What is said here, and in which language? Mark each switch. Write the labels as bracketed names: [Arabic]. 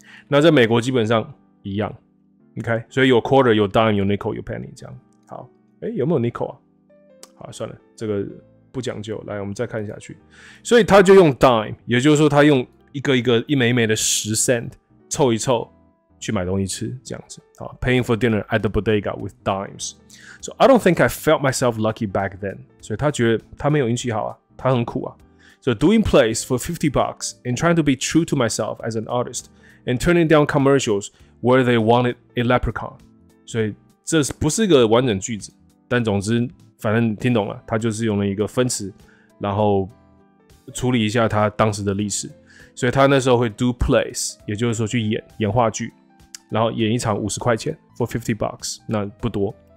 [Chinese] 那在美国基本上一样 ，OK， 所以有 quarter， 有 dime， 有 nickel， 有 penny， 这样。好，哎、欸，有没有 nickel 啊？好，算了，这个不讲究。来，我们再看下去。所以他就用 dime， 也就是说他用一个一个一枚一枚的十 cent 凑一凑去买东西吃，这样子。好 [English] ，paying for dinner at the bodega with dimes。 So I don't think I felt myself lucky back then。 [Chinese] 所以他觉得他没有运气好啊，他很苦啊。 [English] So doing plays for $50 and trying to be true to myself as an artist。 and turning down commercials where they wanted a leprechaun. [Chinese] 所以这不是一个完整句子，但总之反正听懂了，他就是用了一个分词，然后处理一下他当时的历史。所以他那时候会 [English] do plays， [Chinese] 也就是说去演话剧，然后演一场$50 [English] for $50， [Chinese] 那不多。